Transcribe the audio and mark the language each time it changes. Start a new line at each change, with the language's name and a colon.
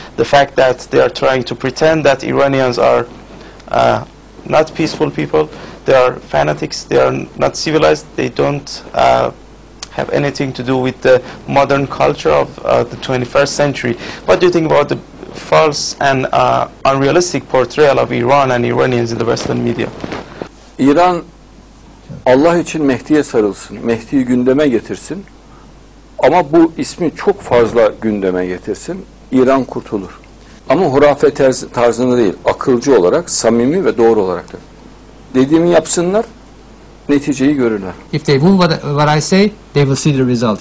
English: The fact that they are trying to pretend that Iranians are not peaceful people, they are fanatics, they are not civilized, they don't have anything to do with the modern culture of the 21st century. What do you think about the false and unrealistic portrayal of Iran and Iranians in the Western media?
Turkish: İran Allah için Mehdi'ye sarılsın, Mehdi'yi gündeme getirsin. Ama bu ismi çok fazla gündeme getirsin, İran kurtulur. Ama hurafe tarzında değil, akılcı olarak, samimi ve doğru olarak da. Dediğimi yapsınlar, neticeyi görürler.
English: If they will what I say, they will see the result.